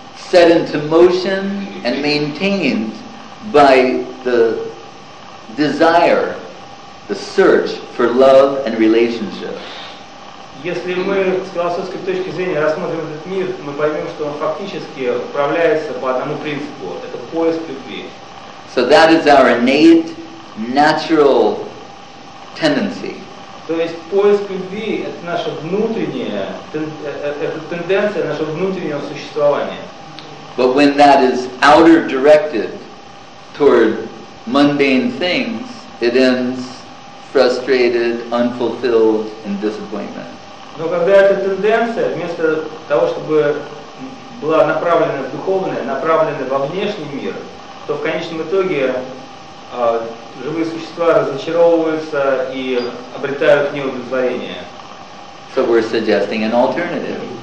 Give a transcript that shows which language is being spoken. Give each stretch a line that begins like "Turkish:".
English: set into motion and maintained by the desire, the search for love and relationship.
Russian: Если мы с философской точки зрения рассмотрим этот мир, мы поймем, что он фактически управляется по одному принципу – это поиск любви.
English: So that is our innate, natural tendency.
Russian: То есть поиск любви – это наша внутренняя тенденция, наше внутреннее существование.
English: But when that is outer-directed toward mundane things, it ends frustrated, unfulfilled, and disappointment.
Russian: Но когда эта тенденция, вместо того, чтобы была направлена в духовное, направлена во внешний мир, то в конечном итоге живые существа разочаровываются и обретают неудовлетворение.
English: So we're suggesting an alternative.